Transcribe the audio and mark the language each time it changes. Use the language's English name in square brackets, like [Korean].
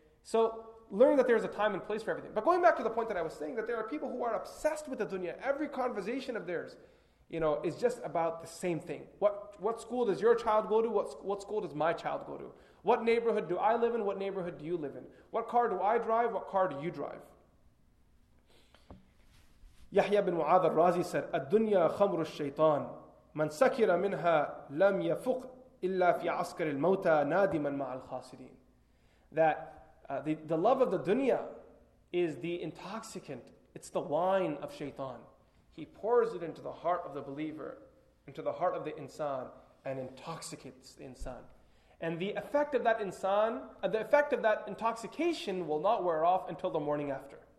[English] So learn that there is a time and place for everything. But going back to the point that I was saying, that there are people who are obsessed with the dunya, every conversation of theirs, you know, is just about the same thing. What school does your child go to? What school does my child go to? What neighborhood do I live in? What neighborhood do you live in? What car do I drive? What car do you drive? [Arabic] يحيى بن معاذ الرازي [English] said, [Arabic] الدنيا خمر الشيطان من سكر منها لم يفق إلا في عسكر الموتى نادما مع الخاسرين. [English] That the love of the dunya is the intoxicant. It's the wine of shaitan. He pours it into the heart of the believer, into the heart of the insan, and intoxicates the insan. And the effect of that insan, the effect of that intoxication will not wear off until the morning after.